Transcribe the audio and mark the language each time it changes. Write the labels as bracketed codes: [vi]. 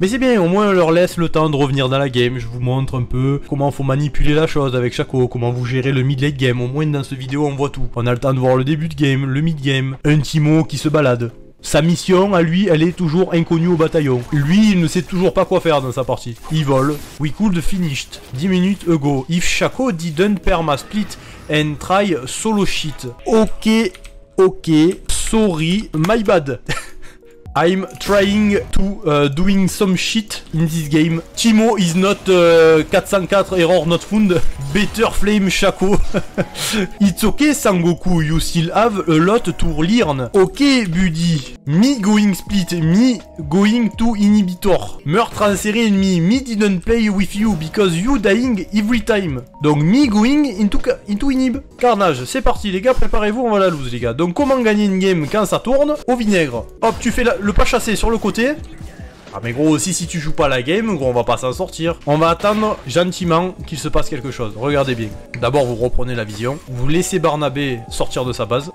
[fr] Mais c'est bien, au moins on leur laisse le temps de revenir dans la game. Je vous montre un peu comment faut manipuler la chose avec Chaco, comment vous gérez le mid-late game. Au moins dans cette vidéo, on voit tout. On a le temps de voir le début de game, le mid-game, un Timo qui se balade. Sa mission, à lui, elle est toujours inconnue au bataillon. Lui, il ne sait toujours pas quoi faire dans sa partie. Il vole. [en] We could finished. 10 minutes ago. If Chaco didn't perma split and try solo shit. Ok, ok. Sorry, my bad. I'm trying to doing some shit in this game. Timo is not 404 error not found. Better flame Chaco. It's okay, Sangoku. You still have a lot to learn. Okay, buddy. Me going split. Me going to inhibitor. [fr] Meurtre en série ennemi. [en] Me didn't play with you because you dying every time. [fr] Donc, [en] me going into inhib. [fr] Carnage. C'est parti, les gars. Préparez-vous. On va la lose, les gars. Donc, comment gagner une game quand ça tourne? Au vinaigre. Hop, tu fais la. Le pas chasser sur le côté. Ah mais gros, si tu joues pas la game, gros, on va pas s'en sortir. On va attendre gentiment qu'il se passe quelque chose. Regardez bien. D'abord, vous reprenez la vision. Vous laissez Barnabé sortir de sa base.